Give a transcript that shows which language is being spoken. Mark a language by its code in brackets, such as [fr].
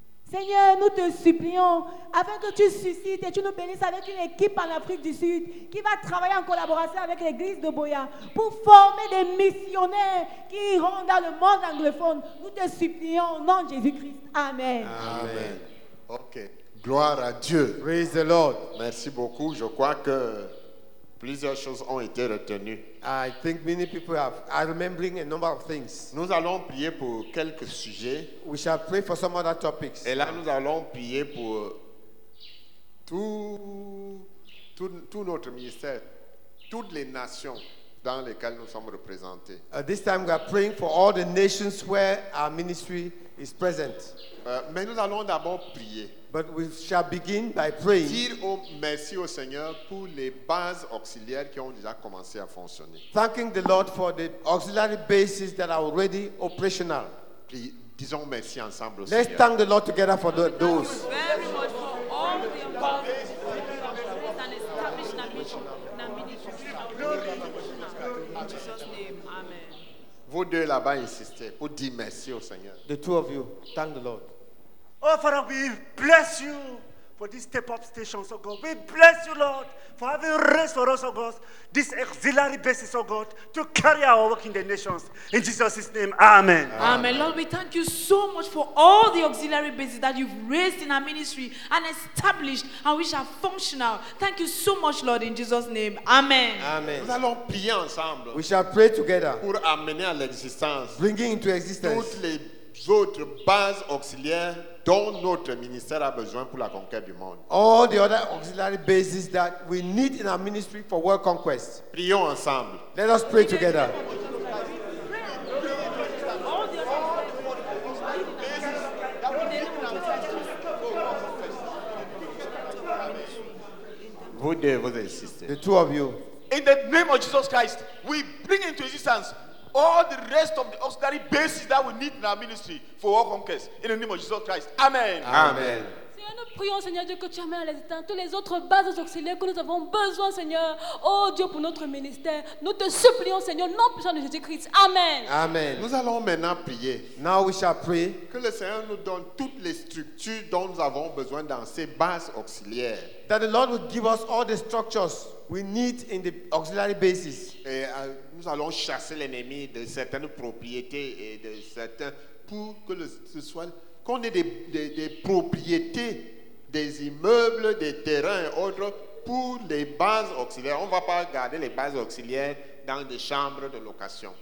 [fr] Seigneur, nous te supplions afin que tu suscites et tu nous bénisses avec une équipe en Afrique du Sud qui va travailler en collaboration avec l'église de Boya pour former des missionnaires qui iront dans le monde anglophone. Nous te supplions au nom de Jésus-Christ. Amen. Amen. Ok. Gloire à Dieu. [en] Praise the Lord. [fr] Merci beaucoup. Je crois que plusieurs choses ont été retenues. [en] I think many people are remembering a number of things. [fr] Nous allons prier pour quelques sujets. [en] We shall pray for some other topics. [fr] Et là, nous allons prier pour tout notre ministère, toutes les nations dans lesquelles nous sommes représentés. [en] This time, we are praying for all the nations where our ministry is present. [fr] Mais nous allons d'abord prier. [en] But we shall begin by praying. [fr] Dire au merci au Seigneur pour les bases auxiliaires qui ont déjà commencé à fonctionner. [en] Thanking the Lord for the auxiliary bases that are already operational. Disons merci ensemble. Let's thank the Lord together for those. Thank you very much for all the involved and established in ministry. In Jesus' name, amen. [fr] Vous deux là-bas insistez pour dire merci au Seigneur. [en] The two of you, thank the Lord. Oh, Father, we bless you for this step-up station, oh God. We bless you, Lord, for having raised for us, oh God, this auxiliary basis, oh God, to carry our work in the nations. In Jesus' name, amen. Amen. Amen. Lord, we thank you so much for all the auxiliary bases that you've raised in our ministry and established and which are functional. Thank you so much, Lord, in Jesus' name. Amen. Amen. [fr] Nous allons prier ensemble. [en] We shall pray together. [fr] Pour amener à l'existence. [en] Bringing into existence. [fr] Toutes les autres bases auxiliaires dont notre ministère a besoin pour la conquête du monde. [en] All the other auxiliary bases that we need in our ministry for world conquest. [fr] Prions ensemble. [en] Let us pray together. [fr] Vous deux, vous insistez. [en] The two of you. In the name of Jesus Christ, we bring into existence all the rest of the auxiliary bases that we need in our ministry for our conquest. In the name of Jesus Christ. Amen. Amen. [fr] Seigneur, Seigneur, nous prions, Seigneur Dieu, que tu amènes à l'étang toutes les autres bases auxiliaires que nous avons besoin, Seigneur. Oh Dieu, pour notre ministère, nous te supplions, Seigneur, nom puissant de Jésus-Christ. Amen. Amen. Nous allons maintenant prier. [en] Now we shall pray. [fr] Que le Seigneur nous donne toutes les structures dont nous avons besoin dans ces bases auxiliaires. [en] That the Lord will give us all the structures we need in the auxiliary basis. [fr] Et nous allons chasser l'ennemi de certaines propriétés et de certains pour que ce soit qu'on ait des propriétés, des immeubles, des terrains et autres pour les bases auxiliaires. On ne va pas garder les bases auxiliaires dans des chambres de location.